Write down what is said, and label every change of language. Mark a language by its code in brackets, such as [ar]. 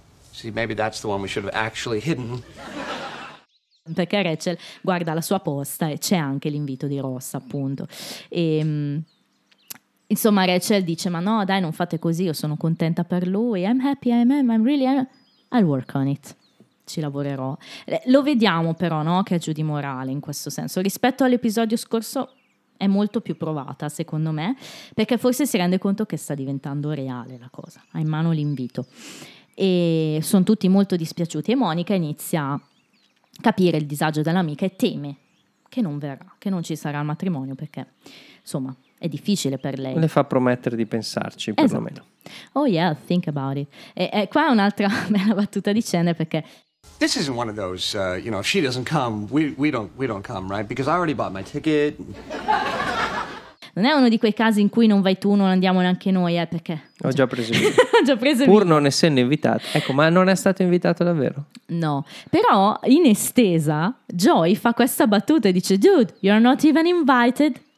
[en] See, maybe that's the one we should have actually hidden. [it] Perché Rachel guarda la sua posta e c'è anche l'invito di Ross, appunto. E, insomma, Rachel dice: ma no, dai, non fate così, io sono contenta per lui. [en] I'm happy, I'm really, I'll work on it. [it] Ci lavorerò. Lo vediamo però, no, che è giù di morale in questo senso. Rispetto all'episodio scorso è molto più provata, secondo me, perché forse si rende conto che sta diventando reale la cosa. Ha in mano l'invito. E sono tutti molto dispiaciuti e Monica inizia capire il disagio dell'amica e teme che non verrà, che non ci sarà il matrimonio, perché insomma è difficile per lei. Le fa promettere di pensarci, esatto, perlomeno. [en] Oh yeah, think about it. [it] E qua è un'altra bella battuta di Chandler, perché [en] this isn't one of those, you know, if she doesn't come, we don't come, right? Because I already bought my ticket. [it] Non è uno di quei casi in cui non vai tu, non andiamo neanche noi, perché... Ho già preso il preso pur non essendo invitato. Ecco, ma non è stato invitato davvero? No. Però, in estesa, Joy fa questa battuta e dice: [en] "Dude, you're not even invited."